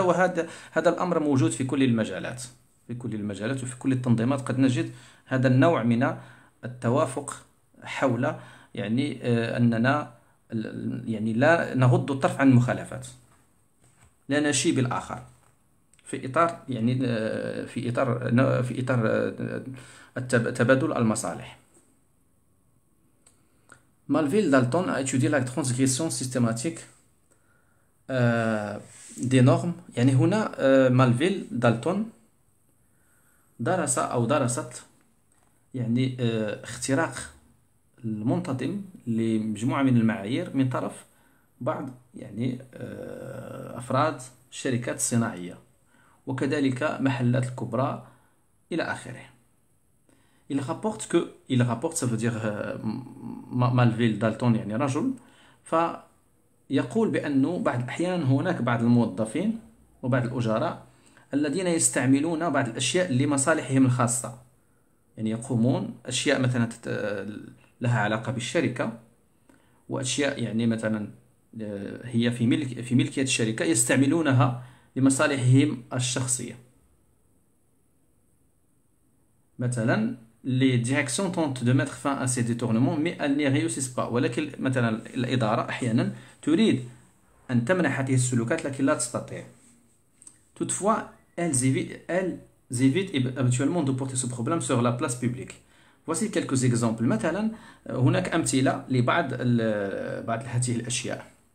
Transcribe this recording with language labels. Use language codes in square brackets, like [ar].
[ar] وهذا الأمر موجود في كل المجالات، في كل المجالات وفي كل التنظيمات قد نجد هذا النوع من التوافق حول يعني أننا يعني لا نغض الطرف عن المخالفات، لا نشيب الآخر في إطار يعني في إطار تبادل المصالح. [fr] مالفيل دالتون a étudié la transgression systématique des normes. [ar] يعني هنا مالفيل دالتون درس أو درست يعني اختراق المنتظم لمجموعة من المعايير من طرف بعض يعني أفراد الشركات الصناعية وكذلك محلات الكبرى إلى آخره. [fr] il rapporte ça veut dire [ar] Malville Dalton يعني رجل، فيقول بأنه بعض الأحيان هناك بعض الموظفين وبعض الأجراء الذين يستعملون بعض الأشياء لمصالحهم الخاصة، يعني يقومون أشياء مثلا لها علاقة بالشركة وأشياء يعني مثلا هي في ملكية الشركة يستعملونها لمصالحهم الشخصية. مثلا [fr] les directions tentent de mettre fin à ces détournements mais elles n'y réussissent pas. [ar] ولكن مثلا الإدارة أحيانا تريد أن تمنع هذه السلوكات لكن لا تستطيع. [fr] Toutefois, elles évitent habituellement de porter ce problème sur la place publique. Voici quelques exemples. [ar] مثلا هناك أمثلة لبعض بعض هذه الأشياء.